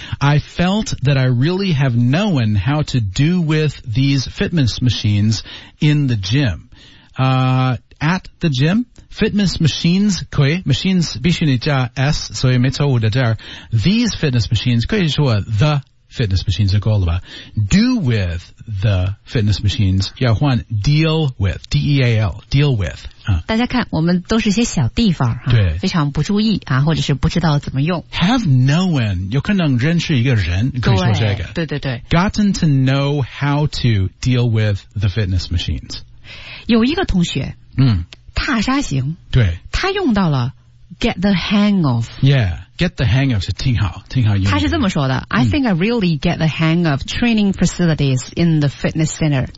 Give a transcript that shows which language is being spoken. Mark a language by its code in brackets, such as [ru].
[en] I felt that I really have known how to do with these fitness machines in the gym.、at the gym, fitness machines, [zh] 可以 machines 必须你加 S, 所以没错误的这儿。 [en] These fitness machines, [zh] 可以说 [en] the fitness machines [zh] 就够了吧。 [en] Do with the fitness machines, [zh] 要换 [en] deal with, D-E-A-L, deal with. [zh] 大家看我们都是一些小地方、啊、对非常不注意啊或者是不知道怎么用。 Have known, 有可能认识一个人可以说这个。对对对。 [en] Gotten to know how to deal with the fitness machines. [zh] 有一个同学嗯踏沙行对他用到了 [en] get the hang of. [zh] Yeah, [en] get the hang of [zh] 是挺好挺好用的。他是这么说的、嗯、 [en] I think I really get the hang of training facilities in the fitness center.